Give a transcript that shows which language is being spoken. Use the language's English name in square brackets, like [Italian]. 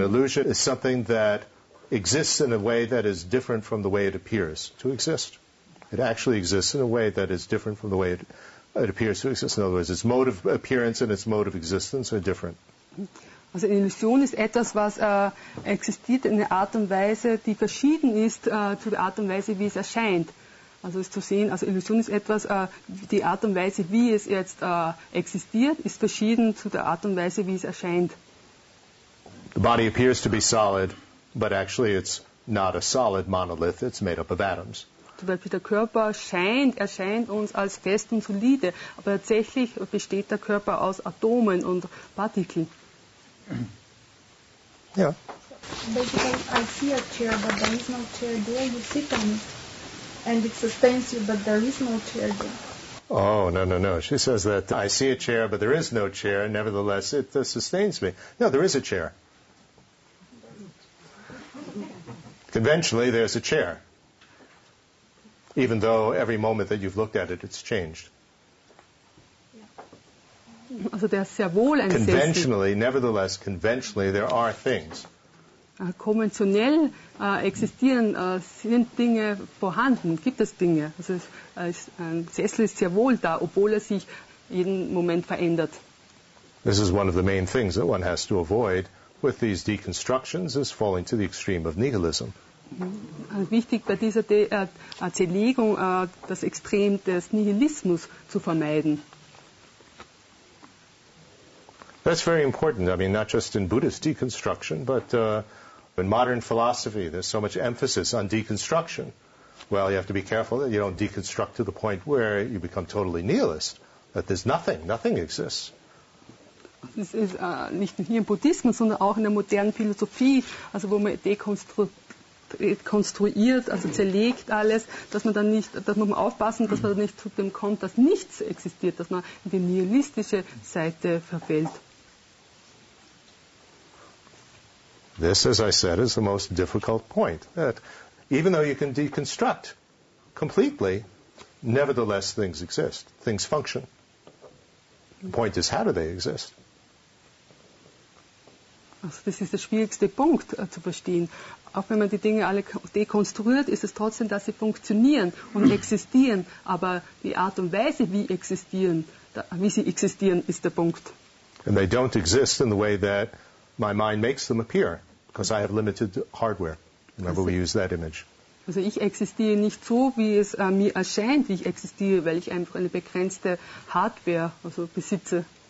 [English] Illusion is something that exists in a way that is different from the way it appears to exist. It actually exists in a way that is different from the way it appears to exist. In other words, its mode of appearance and its mode of existence are different. [German] Also eine Illusion ist etwas, was existiert in einer Art und Weise, die verschieden ist zu der Art und Weise, wie es erscheint. Also es zu sehen, also Illusion ist etwas, die Art und Weise, wie es jetzt existiert, ist verschieden zu der Art und Weise, wie es erscheint. [English] The body appears to be solid, but actually it's not a solid monolith, it's made up of atoms. [German] Zum Beispiel der Körper erscheint uns als fest und solide, aber tatsächlich besteht der Körper aus Atomen und Partikeln. [English] Yeah. Basically, I see a chair, but there is no chair there. You sit on it, and it sustains you, but there is no chair there. Oh, no, no, no. She says that I see a chair, but there is no chair. Nevertheless, it sustains me. No, there is a chair. Conventionally, there's a chair. Even though every moment that you've looked at it, it's changed. [German] Also der ist sehr wohl ein [English] conventionally, Sessel. Nevertheless, conventionally, there are things. [German] Konventionell existieren sind Dinge vorhanden, gibt es Dinge. Also ein Sessel ist sehr wohl da, obwohl er sich jeden Moment verändert. [English] This is one of the main things that one has to avoid with these deconstructions is falling to the extreme of nihilism. [German] Wichtig bei dieser Zerlegung, das Extrem des Nihilismus zu vermeiden. [English] That's very important. I mean, not just in Buddhist deconstruction, but in modern philosophy, there's so much emphasis on deconstruction. Well, you have to be careful that you don't deconstruct to the point where you become totally nihilist, that there's nothing, nothing exists. [German] Es ist nicht nur im Buddhismus, sondern auch in der modernen Philosophie, also wo man dekonstruiert, also zerlegt alles, dass man dann nicht, dass man aufpassen, dass man nicht zu dem kommt, dass nichts existiert, dass man in die nihilistische Seite verfällt. [English] This, as I said, is the most difficult point. That even though you can deconstruct completely, nevertheless things exist. Things function. The point is, how do they exist? [German] Also, das ist der schwierigste Punkt zu verstehen. Auch wenn man die Dinge alle dekonstruiert, ist es trotzdem, dass sie funktionieren und existieren. Aber die Art und Weise, wie sie existieren, ist der Punkt. [English] And they don't exist in the way that my mind makes them appear, because I have limited hardware. Remember, we use that image. [German] Also ich existiere nicht so, wie es mir erscheint, wie ich existiere, weil ich einfach eine begrenzte Hardware also besitze.